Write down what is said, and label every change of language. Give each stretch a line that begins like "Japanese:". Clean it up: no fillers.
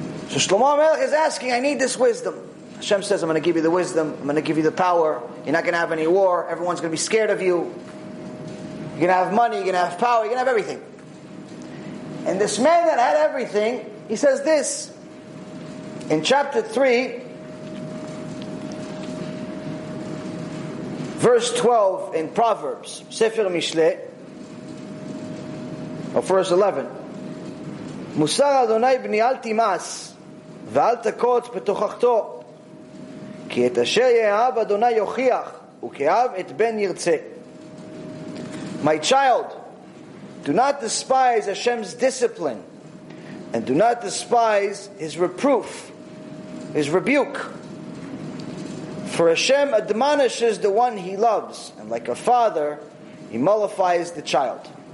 English: So Shlomo HaMelech is asking, I need this wisdom. Hashem says, I'm going to give you the wisdom. I'm going to give you the power. You're not going to have any war. Everyone's going to be scared of you. You're going to have money. You're going to have power. You're going to have everything. And this man that had everything, he says this. In chapter 3, verse 12 in Proverbs, Sefer Mishle, or verse 11,
Hebrew: Musar Adonai bni al timas, ואל תקוץ בתוכחתו כי את אשר יאהב אדוני יוכיח וכאב את בן ירצה.
English: My child, do not despise Hashem's discipline and do not despise his reproof, his rebuke. For Hashem admonishes the one he loves, and like a father, he mollifies the child.